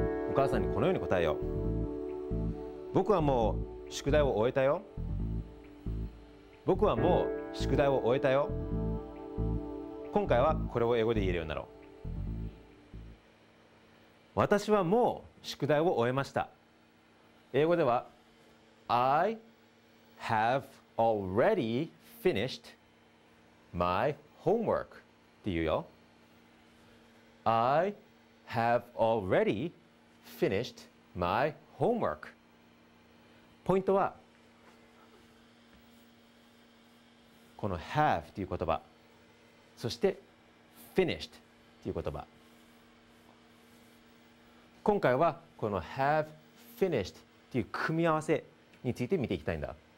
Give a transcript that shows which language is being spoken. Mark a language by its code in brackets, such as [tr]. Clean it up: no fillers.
[ja] お母さんにこのように答えよう。僕はもう宿題を終えたよ。僕はもう宿題を終えたよ。今回はこれを英語で言えるようになろう。私はもう宿題を終えました。英語では [en] I have already finished my homework [ja] って言うよ。 [en] I have already finished my homework。 [ja] ポイントはこの have という言葉、そして finished という言葉。今回はこの have finished という組み合わせについて見ていきたいんだ。